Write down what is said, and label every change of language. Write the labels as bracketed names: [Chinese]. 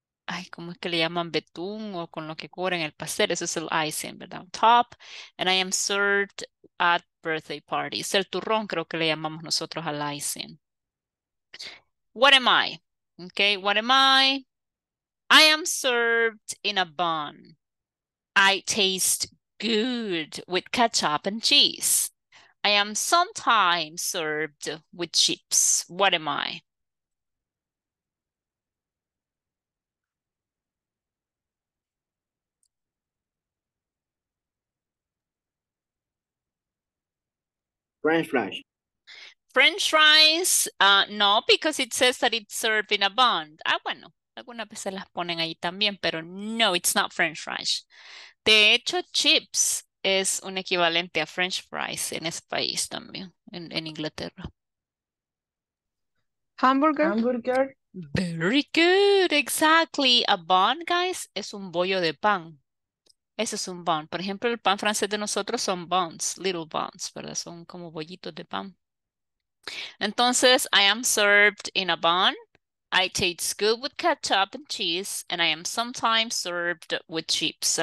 [Spanish] Ay, ¿cómo es que le llaman betún o con lo que cubren el pastel? Eso es el icing, ¿verdad? [English] On top, and I am served at birthday parties. [Spanish] El turrón, creo que le llamamos nosotros al icing. [English] What am I? Okay, what am I? I am served in a bun. I taste good with ketchup and cheese. I am sometimes served with chips. What am I? French fries. French fries, no, because it says that it's served in a bun. [Spanish] Ah, bueno, algunas veces las ponen ahí también, pero no, [English] it's not French fries. [Spanish] De hecho, chips es un equivalente a French fries en ese país también, en Inglaterra. [English] Hamburger. Hamburger. Very good, exactly. A bun, guys, [Spanish] es un bollo de pan. Eso es un bun. Por ejemplo, el pan francés de nosotros son buns, [English] little buns, [Spanish] ¿verdad? Son como bollitos de pan. Entonces, [English] I am served in a bun, I taste good with ketchup and cheese, and I am sometimes served with chips.